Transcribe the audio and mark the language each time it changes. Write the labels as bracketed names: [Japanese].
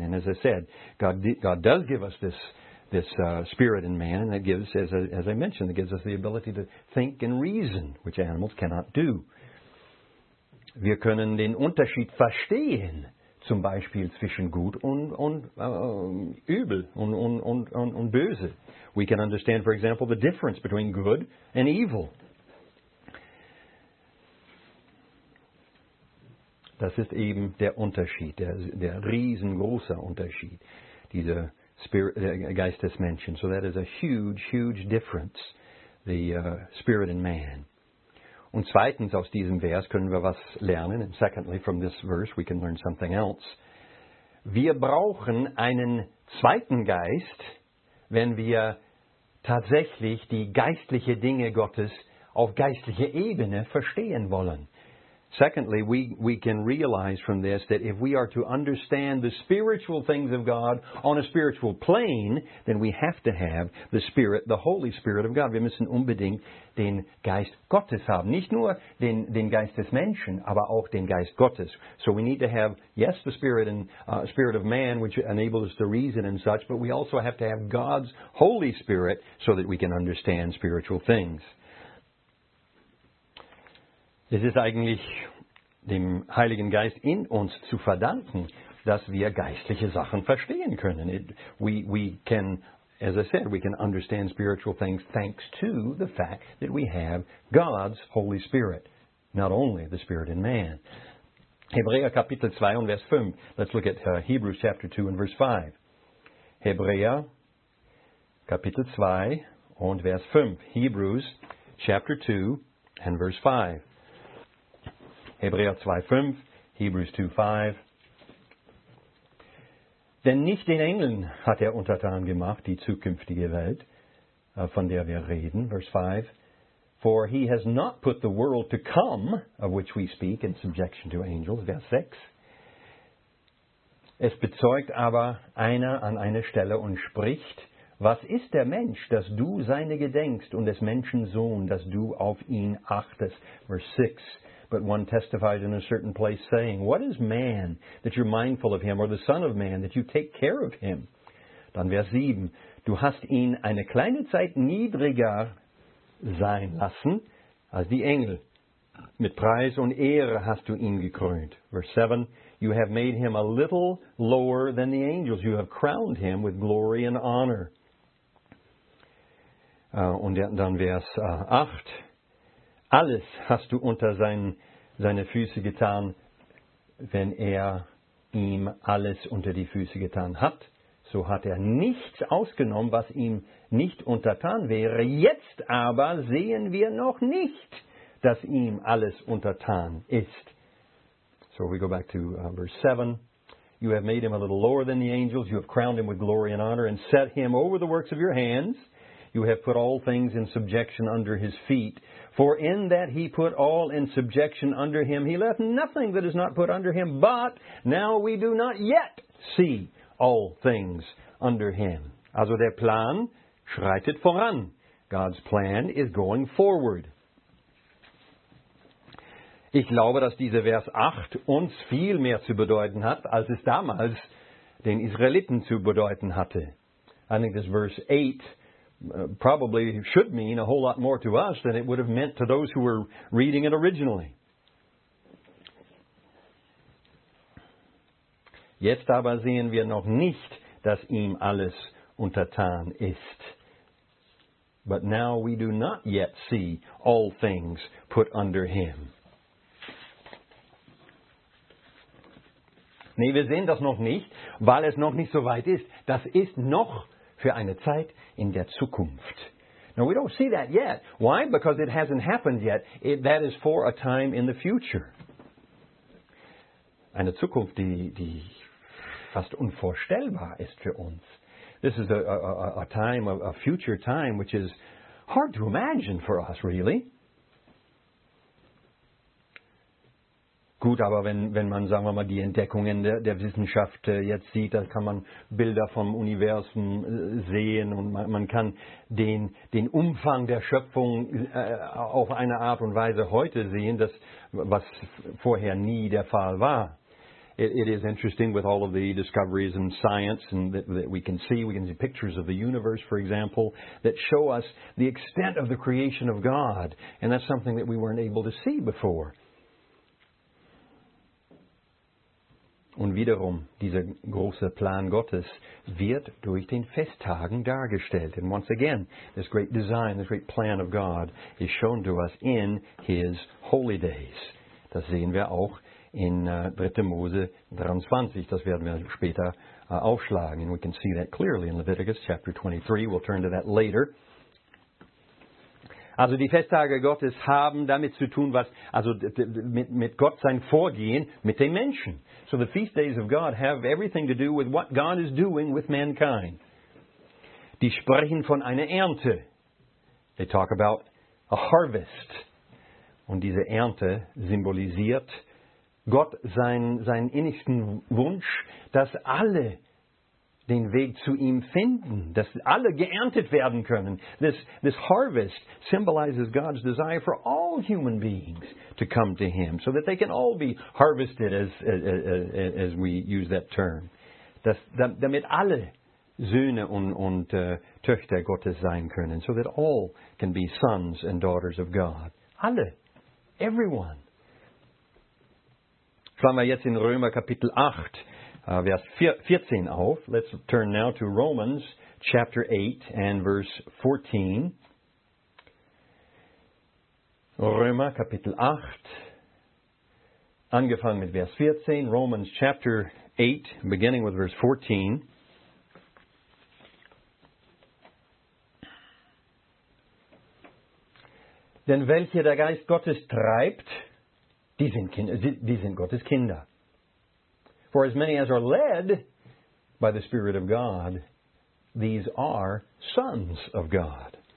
[English] And as I said, God does give us this spirit in man, and that gives, as I mentioned, it gives us the ability to think and reason, which animals cannot do. [German] Wir können den Unterschied verstehen zum Beispiel zwischen gut und übel und böse. [English] We can understand, for example, the difference between good and evil. [German] Das ist eben der Unterschied, der riesengroße Unterschied, dieser Spirit, Geist des Menschen. [English] So that is a huge, huge difference, the spirit in man. [German] Und zweitens aus diesem Vers können wir was lernen. [English] And secondly, from this verse, we can learn something else. [German] Wir brauchen einen zweiten Geist, wenn wir tatsächlich die geistliche Dinge Gottes auf geistlicher Ebene verstehen wollen. [English] Secondly, we can realize from this that if we are to understand the spiritual things of God on a spiritual plane, then we have to have the Spirit, the Holy Spirit of God. [German] Wir müssen unbedingt den Geist Gottes haben. Nicht nur den Geist des Menschen, aber auch den Geist Gottes. [English] So we need to have, yes, the Spirit and Spirit of man, which enables us to reason and such, but we also have to have God's Holy Spirit so that we can understand spiritual things. [German] Es ist eigentlich dem Heiligen Geist in uns zu verdanken, dass wir geistliche Sachen verstehen können. [English] We can understand spiritual things thanks to the fact that we have God's Holy Spirit, not only the Spirit in man. [German] Hebräer Kapitel 2 und Vers 5. [English] Let's look at Hebrews chapter 2 and verse 5. [German] Hebräer Kapitel 2 und Vers 5. [English] Hebrews chapter 2 and verse 5. [German] Hebräer 2,5, [English] Hebrews 2,5. [German] Denn nicht den Engeln hat er untertan gemacht, die zukünftige Welt, von der wir reden, Vers 5. [English] For he has not put the world to come, of which we speak, in subjection to angels, Vers 6. [German] Es bezeugt aber einer an einer Stelle und spricht, was ist der Mensch, dass du seine gedenkst, und des Menschen Sohn, dass du auf ihn achtest, Vers 6. [English] But one testified in a certain place, saying, what is man that you're mindful of him, or the son of man that you take care of him? [German] Dann Vers 7. Du hast ihn eine kleine Zeit niedriger sein lassen als die Engel. Mit Preis und Ehre hast du ihn gekrönt. Vers 7. [English] You have made him a little lower than the angels. You have crowned him with glory and honor. [German] Und dann Vers 8. Alles hast du unter seine Füße getan, wenn er ihm alles unter die Füße getan hat. So hat er nichts ausgenommen, was ihm nicht untertan wäre. Jetzt aber sehen wir noch nicht, dass ihm alles untertan ist. [English] So we go back to verse 7. You have made him a little lower than the angels. You have crowned him with glory and honor and set him over the works of your hands. You have put all things in subjection under his feet. For in that he put all in subjection under him, he left nothing that is not put under him. But now we do not yet see all things under him. [German] Also der Plan schreitet voran. [English] God's plan is going forward. [German] Ich glaube, dass dieser Vers 8 uns viel mehr zu bedeuten hat, als es damals den Israeliten zu bedeuten hatte. [English] I think this verse 8 probably should mean a whole lot more to us than it would have meant to those who were reading it originally. [German] Jetzt aber sehen wir noch nicht, dass ihm alles untertan ist. [English] But now we do not yet see all things put under him. [German] Nee, wir sehen das noch nicht, weil es noch nicht so weit ist. Das ist noch für eine Zeit in der Zukunft. [English] Now, we don't see that yet. Why? Because it hasn't happened yet. That is for a time in the future. [German] Eine Zukunft, die fast unvorstellbar ist für uns. [English] This is a time, a future time, which is hard to imagine for us, really. [German] Gut, aber wenn man, sagen wir mal, die Entdeckungen der Wissenschaft jetzt sieht, da kann man Bilder vom Universum sehen und man kann den Umfang der Schöpfung auf eine Art und Weise heute sehen, das, was vorher nie der Fall war. [English] It is interesting with all of the discoveries in science and that we can see pictures of the universe, for example, that show us the extent of the creation of God. And that's something that we weren't able to see before. [German] Und wiederum, dieser große Plan Gottes wird durch den Festtagen dargestellt. [English] And once again, this great design, this great plan of God is shown to us in his holy days. [German] Das sehen wir auch in 3. Mose 23. Das werden wir später aufschlagen. [English] And we can see that clearly in Leviticus chapter 23. We'll turn to that later. [German] Also die Festtage Gottes haben damit zu tun, was also mit Gott sein Vorgehen mit den Menschen. [English] So the feast days of God have everything to do with what God is doing with mankind. [German] Die sprechen von einer Ernte. [English] They talk about a harvest. [German] Und diese Ernte symbolisiert Gott seinen innigsten Wunsch, dass alle den Weg zu ihm finden, dass alle geerntet werden können. [English] This harvest symbolizes God's desire for all human beings to come to him, so that they can all be harvested, as we use that term. [German] Damit alle Söhne und Töchter Gottes sein können, [English] so that all can be sons and daughters of God. [German] Alle. [English] Everyone. [German] Schauen wir jetzt in Römer Kapitel 8. Vers 14 auf. [English] Let's turn now to Romans chapter 8 and verse 14. [German] Römer Kapitel 8, angefangen mit Vers 14. [English] Romans chapter 8, beginning with verse 14. [German] Denn welche der Geist Gottes treibt, die sind Gottes Kinder. [English] For as many as are led by the Spirit of God, these are sons of God.